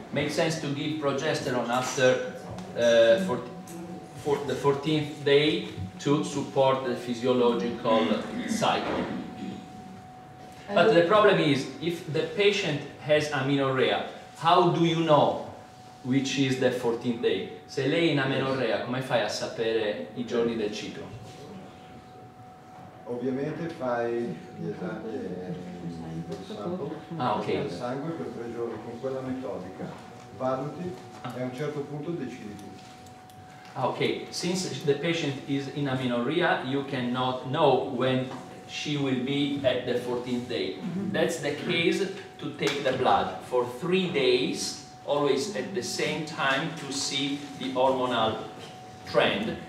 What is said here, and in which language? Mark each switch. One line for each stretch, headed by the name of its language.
English: Makes sense to give progesterone after the 14th day to support the physiological cycle. But the problem is, if the patient has amenorrhea, how do you know which is the 14th day?
Italian: Se lei in amenorrhea, come fai a sapere i giorni del ciclo? Ovviamente fai gli esami del sangue, del sangue per 3 giorni con quella metodica. Valuti e a un certo punto decidi.
English: Okay, since the patient is in amenorrhea, you cannot know when she will be at the 14th day. Mm-hmm. That's the case to take the blood for 3 days, always at the same time to see the hormonal trend.